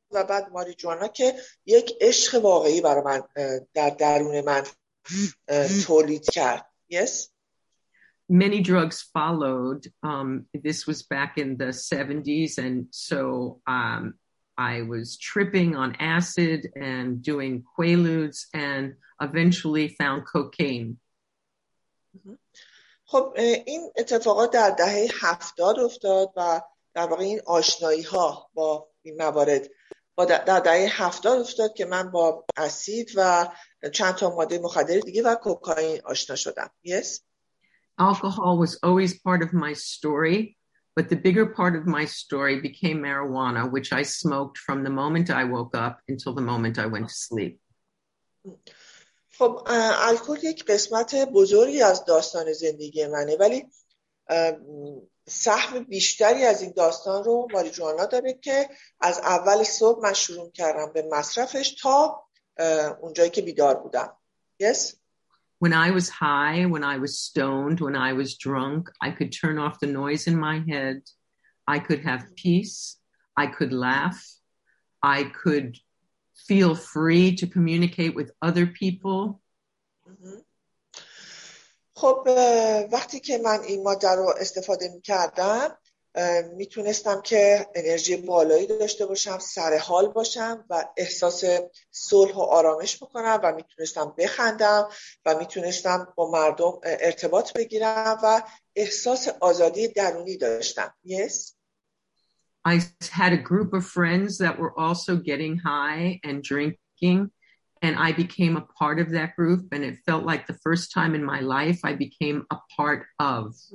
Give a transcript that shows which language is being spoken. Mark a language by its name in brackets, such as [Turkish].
[Persian] و بعد ماری جوانا که یک عشق واقعی برای من در درون من تولید کرد. [English] Yes. Many drugs followed. This was back in the 70s, and so I was tripping on acid and doing quaaludes, and eventually found cocaine. [Persian] خب این اتفاقات در دهه 70 افتاد و در واقع این آشنایی ها با این موارد در دهه 70 افتاد که من با اسید و چند تا ماده مخدر دیگه و کوکائین آشنا شدم. [English] Yes. Alcohol was always part of my story, but the bigger part of my story became marijuana, which I smoked from the moment I woke up until the moment I went to sleep. [Persian] خب الکل یک قسمت بزرگی از داستان زندگی منه، ولی سهم بیشتری از این داستان رو ماریجوانا داره که از اول صبح من شروع کردم به مصرفش تا اونجایی که بیدار بودم. [English] Yes. When I was high, when I was stoned, when I was drunk, I could turn off the noise in my head. I could have peace. I could laugh. I could feel free to communicate with other people. [Persian] خب وقتی که من این ماده رو استفاده می‌کردم، میتونستم که انرژی بالایی داشته باشم، سر حال باشم و احساس صلح و آرامش بکنم و میتونستم بخندم و میتونستم با مردم ارتباط بگیرم و احساس آزادی درونی داشتم. [English] Yes. I had a group of friends that were also getting high and drinking, and I became a part of that group, and it felt like the first time in my life I became a part of.